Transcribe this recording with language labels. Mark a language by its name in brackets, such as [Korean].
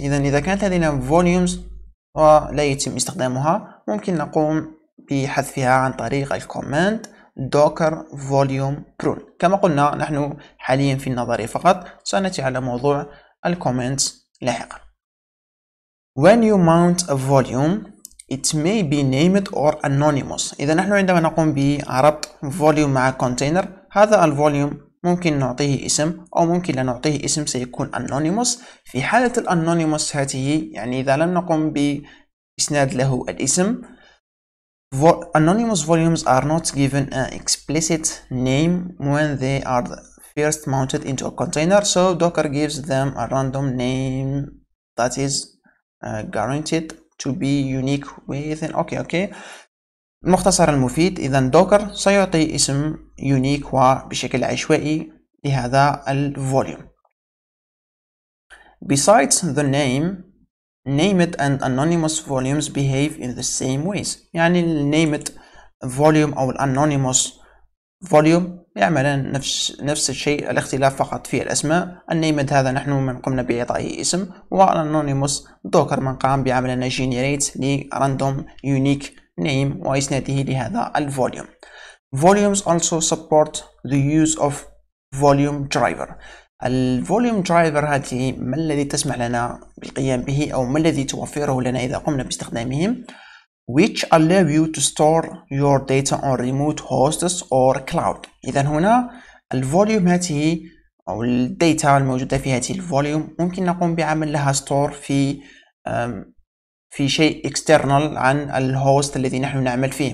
[Arabic] إذا كانت لدينا volumes ولا يتم استخدامها، ممكن نقوم بحذفها عن طريق الكوماند docker volume prune. كما قلنا نحن حاليا في النظري فقط، سنأتي على موضوع الكومنتس لاحقا. [English] When you mount a volume it may be named or anonymous. [Arabic] إذا نحن عندما نقوم بربط volume مع container، هذا الفوليوم ممكن نعطيه اسم أو ممكن لا نعطيه اسم، سيكون anonymous. في حالة الanonymous هذه، يعني إذا لم نقم بإسناد له الاسم، [English] anonymous volumes are not given an explicit name when they are first mounted into a container, so Docker gives them a random name that is guaranteed to be unique within. Okay. [Arabic] المختصر المفيد، إذا Docker سيعطي اسم unique وبشكل عشوائي لهذا volume. [English] Besides the name, named and anonymous volumes behave in the same ways. [Arabic] يعني named volume أو anonymous volume يعملان نفس الشيء، الاختلاف فقط في الأسماء. named هذا نحن من قمنا بإعطائه اسم، والanonymous Docker من قام بعملنا generate لـ random unique name وإسناده لهذا volume. [English] Volumes also support the use of volume driver. [Arabic] الفوليوم درايفر هذه ما الذي تسمح لنا بالقيام به او ما الذي توفره لنا اذا قمنا باستخدامهم [English] which allow you to store your data on remote hosts or cloud. [Arabic] اذا هنا الفوليوم هذه او الداتا الموجوده في هذه الفوليوم ممكن نقوم بعمل لها ستور في شيء external عن الهوست الذي نحن نعمل فيه.